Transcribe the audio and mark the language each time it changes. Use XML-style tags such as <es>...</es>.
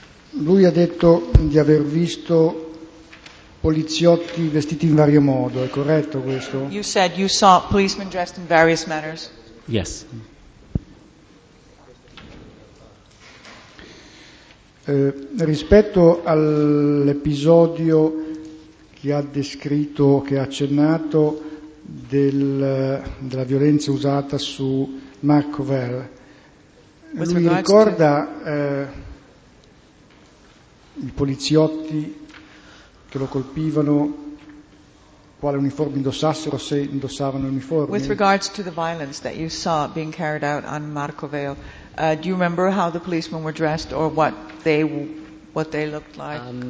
<it>Lui ha detto di aver visto poliziotti vestiti in vario modo, è corretto questo?</it> <en>You said you saw policemen dressed in various manners. Yes.</en> <it>Rispetto all'episodio che ha descritto, che ha accennato, della violenza usata su Mark Covell, lui ricorda i poliziotti che lo colpivano, quale uniforme indossassero, se indossavano uniformi?</it> <en>With regards to the violence that you saw being carried out on Mark Covell, do you remember how the policemen were dressed or what they looked like?</en>